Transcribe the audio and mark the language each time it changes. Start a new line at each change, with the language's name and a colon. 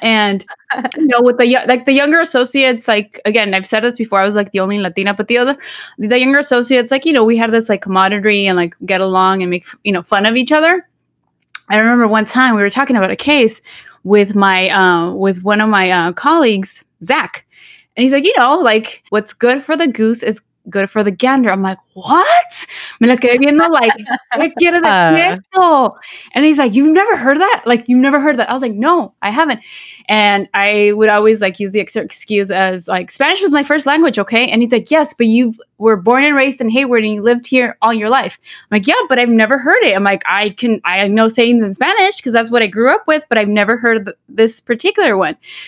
English: And, you know, with the younger associates, like, again, I've said this before, I was like the only Latina, but the younger associates, like, you know, we had this like camaraderie and like get along and make, you know, fun of each other. I remember one time we were talking about a case with my, with one of my colleagues, Zach. And he's like, you know, like what's good for the goose is good for the gander. I'm like, what?
Spanish: Me lo quedé viendo like, ¿qué quiere decir?
English: And he's like, you've never heard that? Like, you've never heard that? I was like, no, I haven't. And I would always like use the excuse as like, Spanish was my first language, okay? And he's like, yes, but you were born and raised in Hayward and you lived here all your life. I'm like, yeah, but I've never heard it. I'm like, I know sayings in Spanish because that's what I grew up with, but I've never heard this particular one.